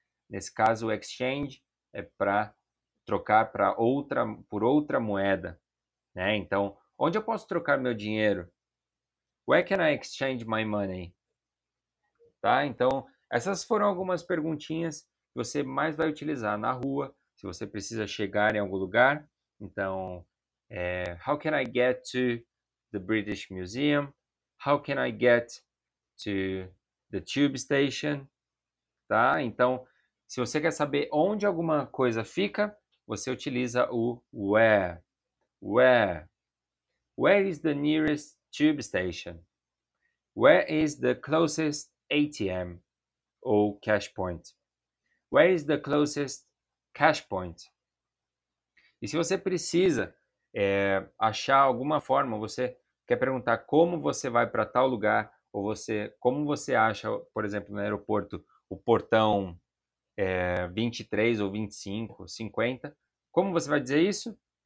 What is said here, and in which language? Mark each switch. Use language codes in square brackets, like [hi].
[pt] Nesse caso, o exchange é para trocar para outra, por outra moeda, né? Então, onde eu posso trocar meu dinheiro? [en] Where can I exchange my money? [pt] Tá? Então, essas foram algumas perguntinhas que você mais vai utilizar na rua, se você precisa chegar em algum lugar. [en] Então, how can I get to the British Museum? How can I get to the tube station? [pt] Tá? Então, se você quer saber onde alguma coisa fica, você utiliza o where. Where? [en] Where is the nearest tube station? Where is the closest ATM ou cash point? Where is the closest cash point? [pt] E se você precisa achar alguma forma, você quer perguntar como você vai para tal lugar, ou você como você acha, por exemplo, no aeroporto, o portão 23 ou 25, 50, como você vai dizer isso?